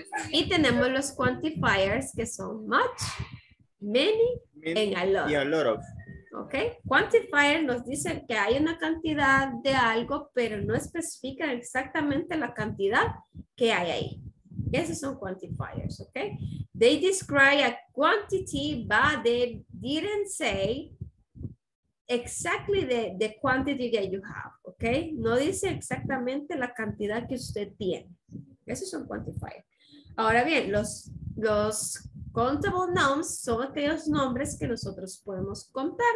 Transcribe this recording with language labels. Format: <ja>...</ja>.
<es>Y tenemos los quantifiers que son</es> <en>much, many, and a lot.</en> <es>Y</es> <en>a lot of.</en> <es>Ok, quantifier nos dice que hay una cantidad de algo, pero no especifica exactamente la cantidad que hay ahí. Esos son quantifiers, ok.</es> <en>They describe a quantity, but they didn't say exactly the quantity that you have, ok.</en> <es>No dice exactamente la cantidad que usted tiene. Esos son quantifiers. Ahora bien, los los</es> <en>countable nouns</en> <es>son aquellos nombres que nosotros podemos contar.</es>